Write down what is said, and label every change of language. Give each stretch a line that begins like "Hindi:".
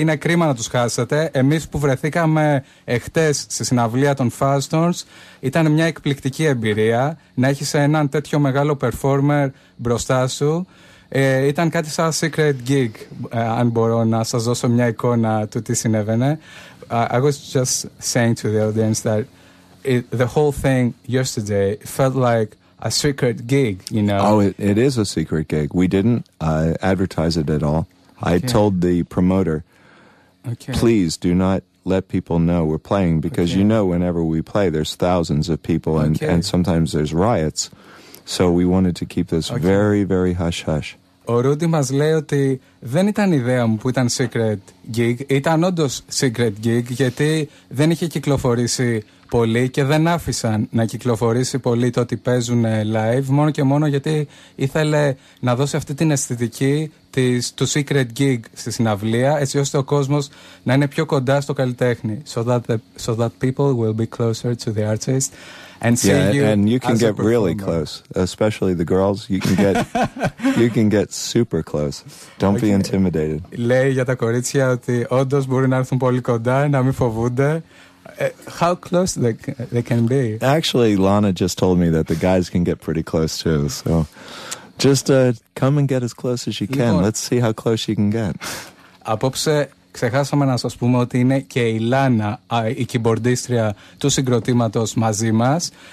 Greek: Είναι κρίμα να τους χάσετε. Εμείς που βρεθήκαμε εχθές στη συναυλία των Falstones, ήταν μια εκπληκτική εμπειρία να έχεις έναν τέτοιο μεγάλο performer μπροστά σου. Ήταν κάτι σαν secret gig, αν μπορώ να σας δώσω μια εικόνα του τι συνέβαινε.
English: I was just saying to the audience that the whole thing yesterday felt like a secret gig, you know. Oh, it is a secret gig. We didn't advertise it at all. I told the promoter, please do not let people know we're playing, because you know whenever we play, there's thousands of people and sometimes there's riots. So we wanted to keep this very, very hush-hush.
Greek: Ο Ρούντι μας λέει ότι δεν ήταν ιδέα μου που ήταν secret gig. Ήταν όντως secret gig, γιατί δεν είχε κυκλοφορήσει πολύ και δεν άφησαν να κυκλοφορήσει πολύ το ότι παίζουν live, μόνο και μόνο γιατί ήθελε να δώσει αυτή την αισθητική του secret gig στη συναυλία, έτσι ώστε ο κόσμος να είναι πιο κοντά στο καλλιτέχνη.
English: So that people will be closer to the artist. And see you can get really close, especially the girls. You can get super close. Don't be intimidated.
Greek: Λέει για τα κορίτσια ότι όντως μπορεί να έρθουν πολύ κοντά, να μην φοβούνται.
English: How close they can be? Actually, Lana just told me that the guys can get pretty close too. So just come and get as close as you can. Let's see how close you can get.
Greek: Απόψε ξεχάσαμε να σας πούμε ότι είναι και η Λάνα, η κιμπορντίστρια του συγκροτήματος μαζί μας.